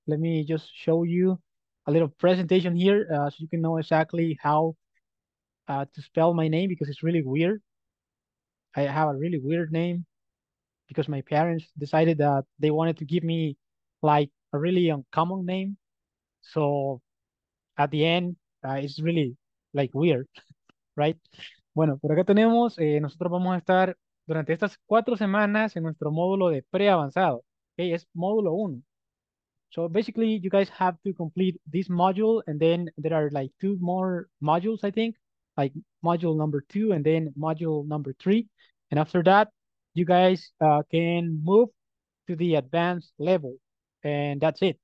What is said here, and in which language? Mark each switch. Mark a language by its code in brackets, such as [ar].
[en] Let me just show you a little presentation here so you can know exactly how to spell my name, because it's really weird. I have a really weird name because my parents decided that they wanted to give me like a really uncommon name. So at the end, it's really like weird, right? [es] Bueno, por acá tenemos, nosotros vamos a estar durante estas 4 semanas en nuestro módulo de preavanzado. Okay, es módulo 1. [en] So basically, you guys have to complete this module, and then there are like 2 more modules, I think, like module number 2 and then module number 3. And after that, you guys can move to the advanced level. And that's it.